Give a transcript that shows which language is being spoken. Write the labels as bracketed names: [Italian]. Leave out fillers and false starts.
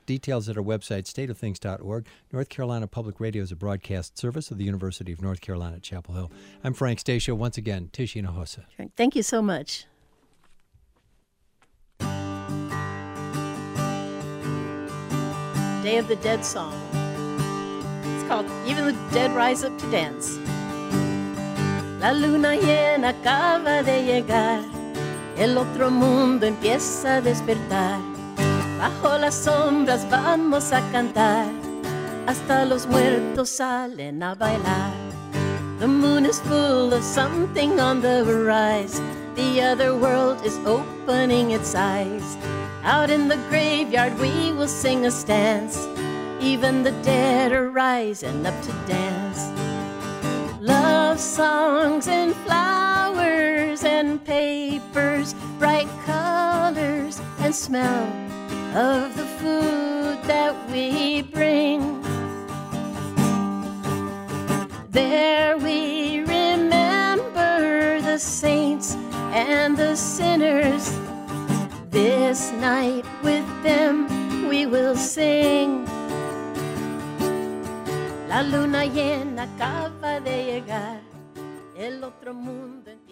[English] Details at our website, stateofthings.org. North Carolina Public Radio is a broadcast service of the University of North Carolina at Chapel Hill. I'm Frank Stacia. Once again, Tish Hinojosa. Thank you so much. Day of the Dead song. It's called Even the Dead Rise Up to Dance. [Spanish] La luna llena acaba de llegar. El otro mundo empieza a despertar. Bajo las sombras vamos a cantar. Hasta los muertos salen a bailar. [English] The moon is full of something on the horizon. The other world is opening its eyes. Out in the graveyard we will sing a stance. Even the dead are rising up to dance. Love songs and flowers and papers, bright colors and smell of the food that we bring. There we remember the saints and the sinners. This night with them we will sing. [Spanish] La luna llena acaba de llegar. El otro mundo.